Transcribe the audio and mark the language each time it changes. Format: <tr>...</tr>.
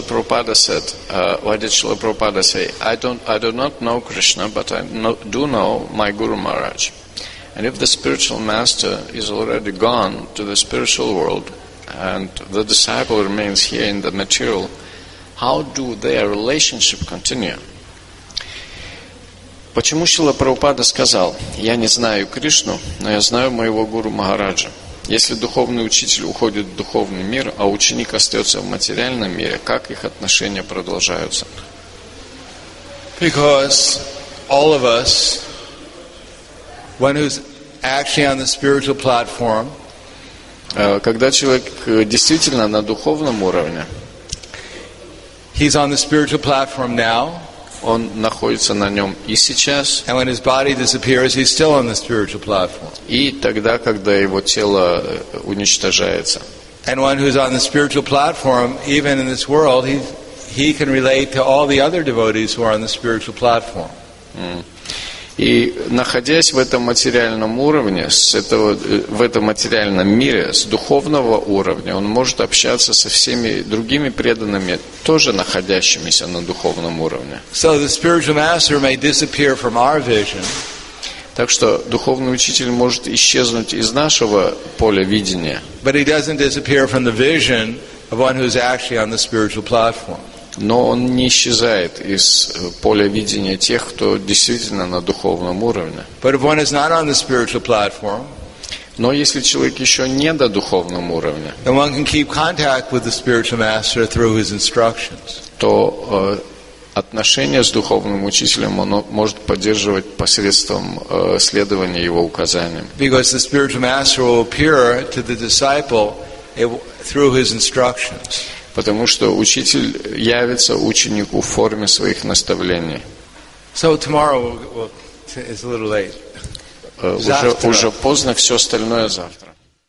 <en>Why did Srila Prabhupada say, I do not know Krishna, but I do know my Guru Maharaj. And if the spiritual master is already gone to the spiritual world and the disciple remains here in the material, how do their relationship continue?</en> <ru>Почему Шрила Прабхупада сказал, я не знаю Кришну, но я знаю моего Гуру Махараджа. Если духовный учитель уходит в духовный мир, а ученик остается в материальном мире, как их отношения продолжаются?</ru> <en>Because all of us, one who's actually on the spiritual platform,</en> <ru>когда человек действительно на духовном уровне,</ru> <en>he's on the spiritual platform now,</en> <ru>он находится на нем и сейчас.</ru> <en>And when his body disappears, he's still on the spiritual platform.</en> <ru>И тогда, когда его тело уничтожается.</ru> <en>And one who's on the spiritual platform, even in this world, he can relate to all the other devotees who are on the spiritual platform.</en> <ru>И находясь в этом материальном уровне, в этом материальном мире, с духовного уровня, он может общаться со всеми другими преданными, тоже находящимися на духовном уровне.</ru> <en>So the spiritual master may disappear from our vision.</en> <ru>Так что духовный учитель может исчезнуть из нашего поля видения.</ru> <en>But he doesn't disappear from the vision of one who's actually on the spiritual platform.</en> <ru>Но он не исчезает из поля видения тех, кто действительно на духовном уровне.</ru> <en>But if one is not on the spiritual platform,</en> <ru>но если человек еще не на духовном уровне,</ru> <en>then one can keep contact with the spiritual master through his instructions.</en> <ru>То отношения с духовным учителем он может поддерживать посредством следования его указаниям.</ru> <en>Because the spiritual master will appear to the disciple through his instructions.</en> <ru>Потому что учитель явится ученику в форме своих наставлений.</ru> <en>So tomorrow it's a little late.</en> <ru>Уже поздно, все остальное завтра.</ru>